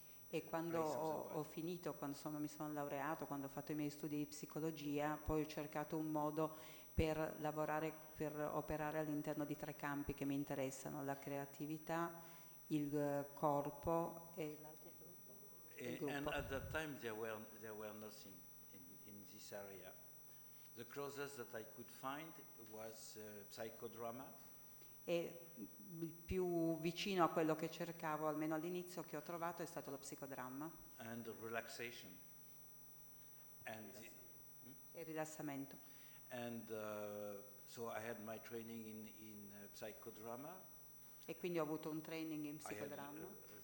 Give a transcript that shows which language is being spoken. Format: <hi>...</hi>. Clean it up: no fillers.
<it>E quando ho finito, quando insomma, mi sono laureato, quando ho fatto i miei studi di psicologia, poi ho cercato un modo per lavorare, per operare all'interno di tre campi che mi interessano: la creatività, il corpo e l'altro.</it> <en>And at that time there were nothing in this area. The closest that I could find was psychodrama.</en> <it>E il più vicino a quello che cercavo, almeno all'inizio, che ho trovato è stato lo psicodramma.</it> <en>And relaxation. And</en> <it>e rilassamento.</it> <en>And so I had my training in psychodrama.</en> <it>E quindi ho avuto un training in psicodramma.</it>